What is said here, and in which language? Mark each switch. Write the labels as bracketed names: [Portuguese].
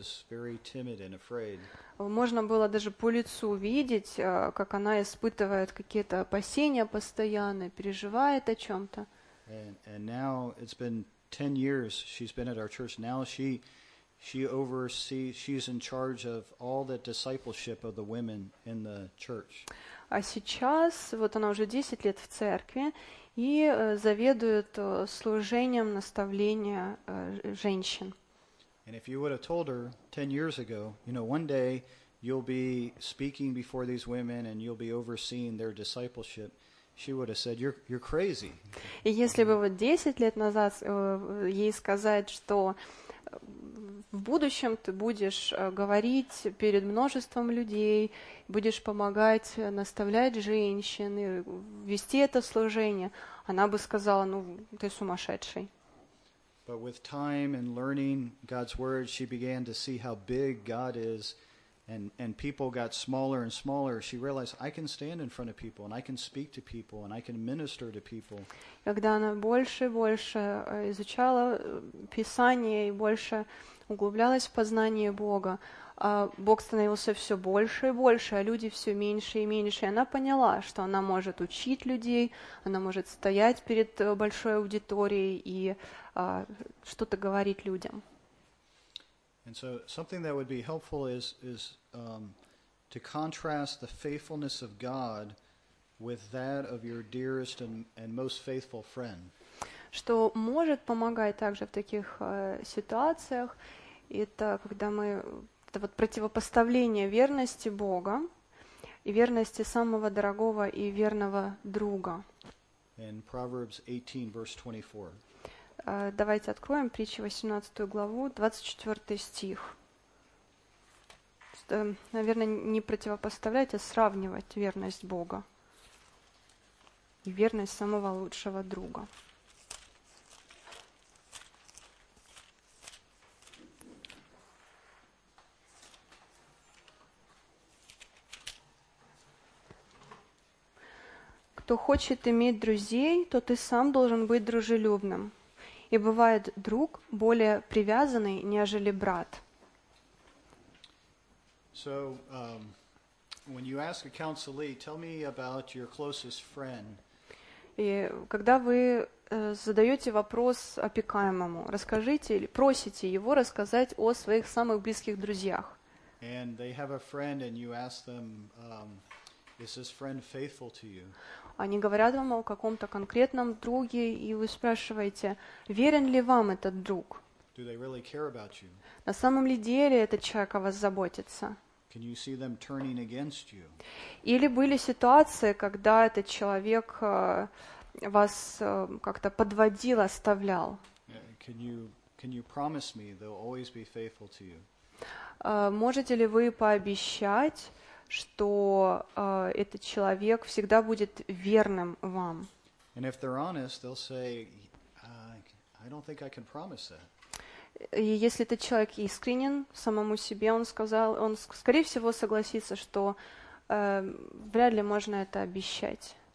[Russian] Можно было даже по лицу видеть, как она испытывает какие-то опасения постоянно, переживает о чем-то. [English] And now it's been 10 years she's been at our church. Now she oversees, she's in charge of all the discipleship of the women in the church. [Russian] А сейчас, вот она уже 10 лет в церкви, и заведует служением наставления женщин. [English] And if you would have told her 10 years ago, you know, one day you'll be speaking before these women and you'll be overseeing their discipleship, she would have said, you're crazy. [Russian] И если бы вот 10 лет назад ей сказать, что в будущем ты будешь говорить перед множеством людей, будешь помогать, наставлять женщин, вести это служение, она бы сказала, ну, ты сумасшедший. [English] But with time and learning God's word, she began to see how big God is, and people got smaller and smaller. She realized, I can stand in front of people, and I can speak to people, and I can minister to people. [Russian] Когда она больше и больше изучала Писание и больше углублялась в познание Бога, Бог становился все больше и больше, а люди все меньше и меньше. И она поняла, что она может учить людей, она может стоять перед большой аудиторией и что-то говорить людям. [English] And so something that would be helpful is to contrast the faithfulness of God with that of your dearest and most faithful friend. [Russian] Что может помогать также в таких ситуациях, это когда мы, это вот противопоставление верности Бога и верности самого дорогого и верного друга. [English] In Proverbs 18, verse 24. [Russian] Давайте откроем притчи 18 главу, 24 стих. Наверное, не противопоставлять, а сравнивать верность Бога и верность самого лучшего друга. Кто хочет иметь друзей, тот и сам должен быть дружелюбным. И бывает друг более привязанный, нежели брат. [English] So, when you ask a counselee, tell me about your closest friend. [Russian] И когда вы задаете вопрос опекаемому, расскажите или просите его рассказать о своих самых близких друзьях. [English] And they have a friend, and you ask them, is this friend faithful to you? [Russian] Они говорят вам о каком-то конкретном друге, и вы спрашиваете, верен ли вам этот друг? [English] Do they really care about you? [Russian] На самом ли деле этот человек о вас заботится? [English] Can you see them turning against you? [Russian] Или были ситуации, когда этот человек вас как-то подводил, оставлял? [English] Can you promise me they'll always be faithful to you? [Russian] Можете ли вы пообещать, что этот человек всегда будет верным вам? [English] And if they're honest, they'll say, I don't think I can promise that. [Russian] И если этот человек искренен самому себе, он скорее всего согласится, что вряд ли можно это обещать.